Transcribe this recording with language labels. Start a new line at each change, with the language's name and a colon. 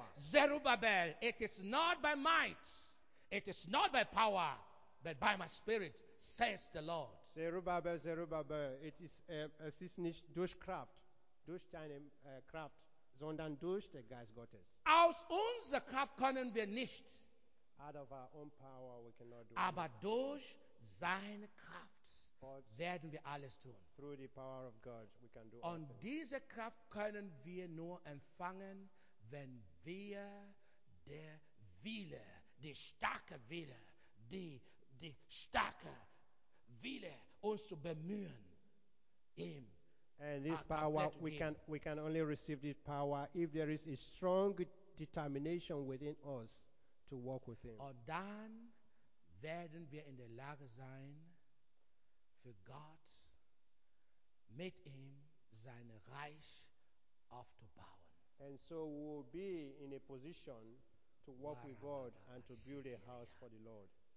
English: Zerubbabel, it is not by might, it is not by power, but by my spirit, says the Lord.
German: Zerubbabel,
English: it is
German: nicht durch Kraft, durch deine Kraft, sondern durch der Geist Gottes. Aus unserer Kraft können wir nicht.
English: Out of our own power, we cannot do it.
German: Aber durch seine Kraft werden wir alles tun.
English: Through the power of God, we can do.
German: Und diese Kraft können wir nur empfangen, wenn wir der Wille, die starke Wille, uns zu bemühen, ihm.
English: And this power, we can only receive this power if there is a strong determination within us to walk with him.
German: Und dann werden wir in der Lage sein, für Gott mit ihm sein Reich aufzubauen.
English: And so we will be in a position to work with God and to build a house for the Lord.